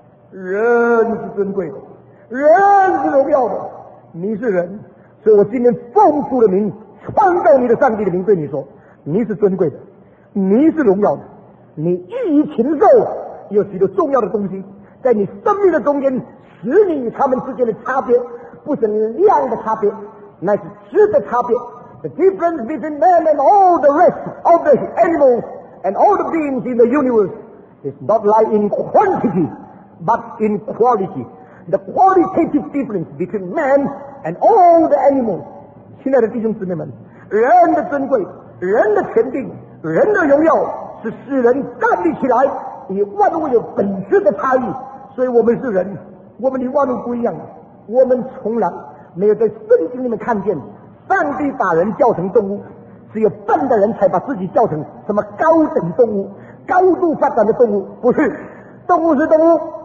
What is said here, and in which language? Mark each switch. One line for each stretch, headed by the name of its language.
Chinese: 人是尊贵的，人是荣耀的，你是人，所以我今天奉主的名，创造你的上帝的名，对你说，你是尊贵的，你是荣耀的，你异于禽兽，有许多重要的东西在你生命的中间，使你与他们之间的差别不是量的差别，那是质的差别。
English: The difference between man and all the rest of the animals and all the beings in the universe does not lie in quantity, but in quality. The qualitative difference between man and all the animals.
Chinese: 亲爱的弟兄姊妹们, 人的尊贵, 人的权柄, 人的荣耀, 使世人站立起来, 以万物有本质的差异, 所以我们是人, 我们与万物不一样, 我们从来没有在圣经里面看见, 上帝把人叫成动物, 只有笨的人才把自己叫成什么高等动物, 高度发展的动物, 不是, 动物是动物,